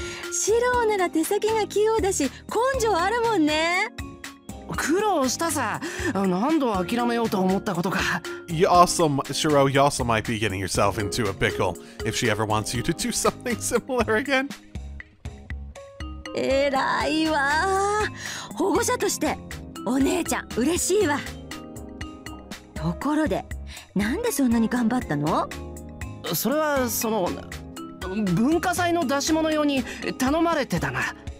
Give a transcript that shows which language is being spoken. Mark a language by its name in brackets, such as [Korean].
[Japanese] シローなら手先が器用だし根性あるもんね。苦労したさ。何度諦めようと思ったことか。 [English] Shiro, you also might be getting yourself into a pickle if she ever wants you to do something similar again. [Japanese] えらいわ。保護者としてお姉ちゃん嬉しいわ。ところで、なんでそんなに頑張ったの？それはその文化祭の出し物用に頼まれてたな。